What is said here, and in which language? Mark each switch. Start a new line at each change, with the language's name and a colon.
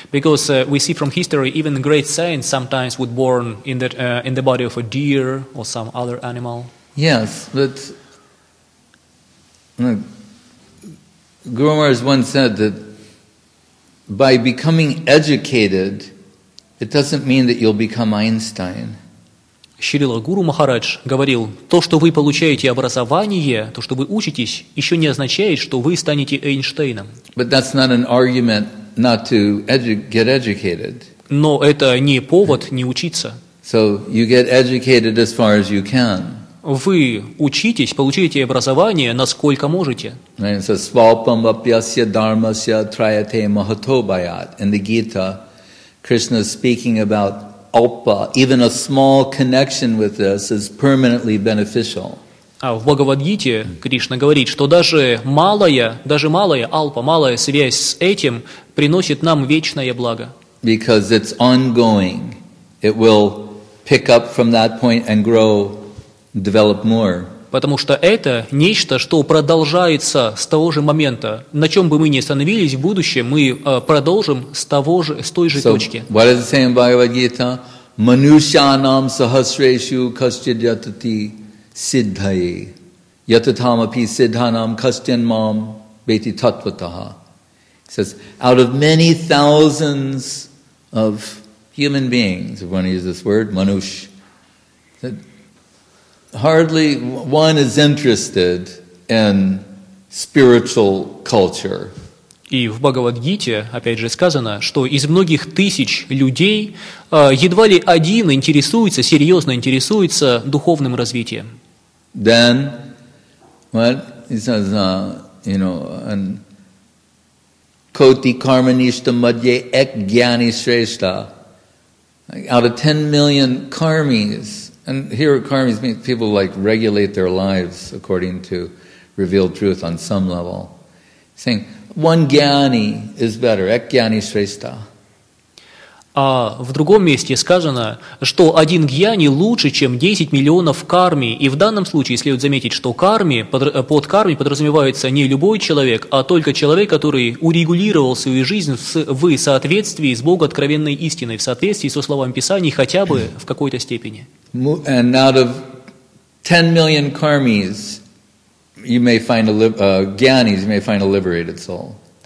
English: Because we see from history even great saints sometimes would born in that in the body of a deer or some other animal. Yes, but Guru Maharaj once said that by becoming educated, it doesn't mean that you'll become Einstein.
Russian: Шрила Гуру Махарадж говорил, то, что вы получаете образование, то, что вы учитесь, еще не означает, что вы станете Эйнштейном.
English: But that's not an argument not to get educated.
Russian: Но это не повод не учиться.
English: So you get educated as far as you can.
Russian: Вы учитесь, получаете образование, насколько можете.
Sanskrit: Свалпам апьясья дармасья траяте махатобаят.
English: In the Gita, Krishna is speaking about Alpa, even a small connection with this is permanently beneficial.
Russian: А в Бхагавад-гите Кришна говорит, что даже малая алпа, малая связь с этим приносит нам вечное благо.
English: Because it's ongoing. It will pick up from that point and grow, develop more.
Russian: Потому что это нечто, что продолжается с того же момента. На чем бы мы ни остановились в будущем, мы продолжим с той же точки.
English: So, what does it say in Bhagavad-гита?
Sanskrit: Manushyanam sahasreshu kaschid yatati siddhaye yatathamapi siddhanam kaschin mam beti tatvataha.
English: It says, out of many thousands of human beings, if one uses this word, manush, that hardly one is interested in spiritual culture.
Russian: И в Бхагавад-гите, опять же, сказано, что из многих тысяч людей едва ли один интересуется, серьезно интересуется духовным развитием.
English: Then, what? He says, you know, and
Sanskrit: Koti Karmanishta Madhye Ek Gyani Shrestha.
English: Out of 10 million karmis, and here karmis means people like regulate their lives according to revealed truth on some level, saying, one gyani is better,
Sanskrit: ek gyani shrestha.
Russian: А в другом месте сказано, что один гьяни лучше, чем 10 миллионов карми. И в данном случае следует заметить, что карми, под карми подразумевается не любой человек, а только человек, который урегулировал свою жизнь в соответствии с богооткровенной истиной, в соответствии со словами Писаний хотя бы в какой-то степени.
English: And out of 10 million karmis, you may find gyanis, you may find a liberated soul.